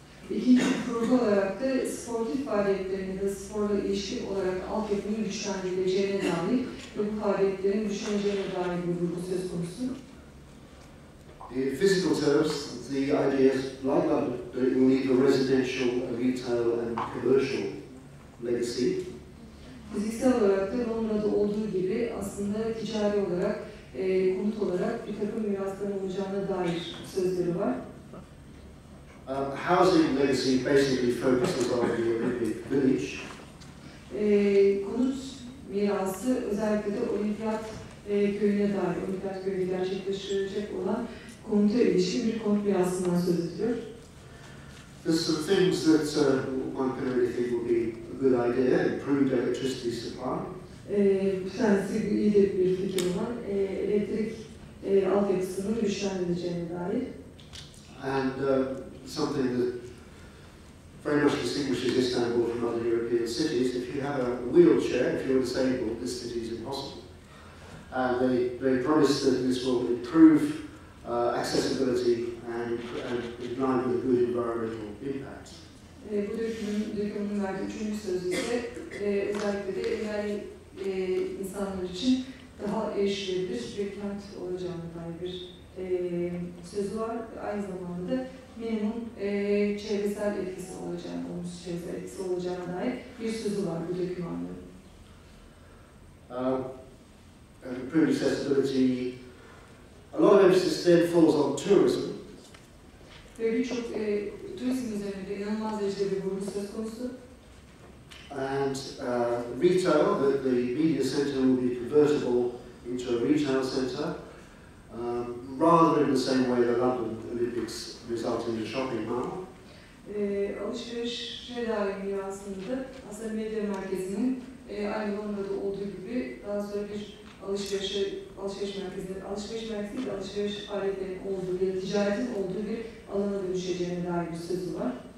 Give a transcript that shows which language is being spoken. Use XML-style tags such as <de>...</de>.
<tr>İkinci kurgu olarak da sportif faaliyetlerini ve sporla ilişki olarak altyapının güçlendirileceğine dair ve bu faaliyetlerin güçleneceğine dair bir vurgu söz konusu.</tr> <en>In physical terms, the idea is like London, but it will need a residential, a retail, and commercial legacy.</en> <tr>Fiziksel olarak da Londra'da olduğu gibi aslında ticari olarak, konut olarak bir takım mirasların olacağına dair sözleri var.</tr> <en>Housing legacy basically focuses on the Olympic Village.</en> <tr>Konut mirası özellikle de Olimpiyat köyüne dair, Olimpiyat köyü gerçekleştirilecek olan konuta ilişkin bir konut mirasından söz ediyor.</tr> <en>There's some things that one can only think would be a good idea, improved electricity supply.</en> <tr>Bir tanesi iyi de bir fikir olan elektrik altyapısının güçlendireceğine dair.</tr> <en>And something that very much distinguishes Istanbul from other European cities, if you have a wheelchair, if you're disabled, this city is impossible. And they promise that this will improve accessibility and in line with good environmental impacts.</en> <tr>Bu dökümün verdiği üçüncü sözü ise özellikle de engelli insanlar için daha erişilebilir bir kent olacağına dair bir sözü var. Aynı zamanda da minimum çevresel etkisi olacağına, olumsuz çevresel etkisi olacağına dair bir sözü var bu döküm anlamında.</tr> <en>Improved accessibility. A lot of emphasis then falls on tourism.</en> <tr>Ve birçok turizm üzerinde inanılmaz derecede bir vurgu söz konusu.</tr> <en>And retail, the media center will be convertible into a retail center, rather in the same way the London Olympics result in a shopping mall.</en> <tr>Alışverişe dair aslında medya merkezinin aynı Londra'da olduğu gibi daha sonra bir alışveriş aletlerinin olduğu ya da ticaretin olduğu bir alana dönüşeceğine dair bir sözü var.</tr>